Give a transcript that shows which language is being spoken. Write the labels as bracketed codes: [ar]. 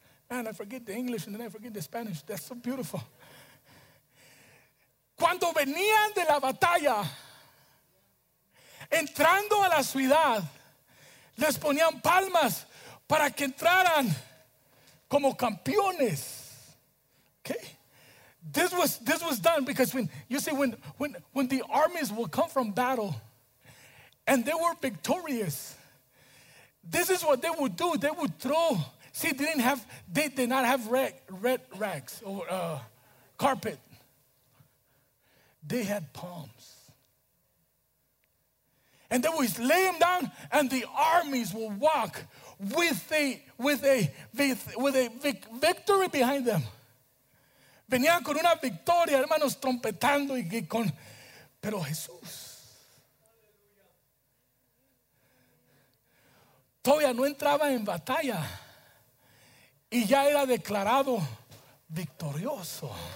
[en] Man, I forget the English and then I forget the Spanish. That's so beautiful. [es] Cuando venían de la batalla, entrando a la ciudad, les ponían palmas para que entraran como campeones. [en] Okay, this was done because when the armies will come from battle and they were victorious, this is what they would do. They would throw. See, they did not have red rags or carpet. They had palms. And they would lay them down, and the armies will walk with a victory behind them. [es] Venían con una victoria, hermanos, trompetando y con. Pero Jesús todavía no entraba en batalla y ya era declarado victorioso.